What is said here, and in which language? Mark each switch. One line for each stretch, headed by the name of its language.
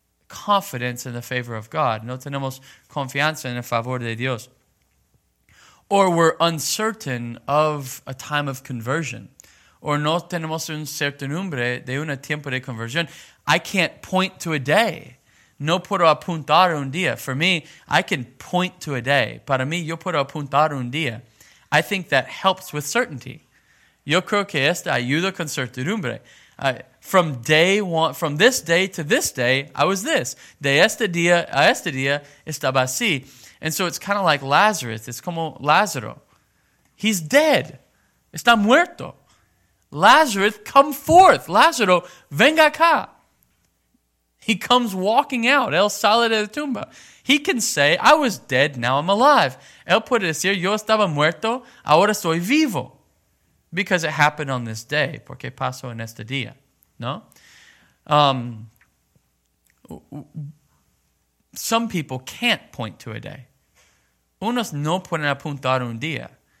English: confidence in the favor of God.
Spanish: No tenemos confianza en el favor de Dios.
English: Or we're uncertain of a time of conversion.
Spanish: Or no tenemos un certidumbre de un tiempo de conversión.
English: I can't point to a day.
Spanish: No puedo apuntar un día.
English: For me, I can point to a day.
Spanish: Para mí, yo puedo apuntar un día.
English: I think that helps with certainty.
Spanish: Yo creo que esta ayuda con certidumbre.
English: From day one, from this day to this day, I was this.
Spanish: De este día a este día, estaba así.
English: And so it's kind of like Lazarus. It's
Spanish: como Lázaro.
English: He's dead.
Spanish: Está muerto.
English: Lazarus, come forth.
Spanish: Lázaro, venga acá.
English: He comes walking out. Él sale de la tumba. He can say, I was dead, now I'm alive.
Spanish: Él puede decir, yo estaba muerto, ahora soy vivo.
English: Because it happened on this day.
Spanish: Porque pasó en este día. No?
English: Some people can't point to a day.
Spanish: Unos no pueden apuntar un día.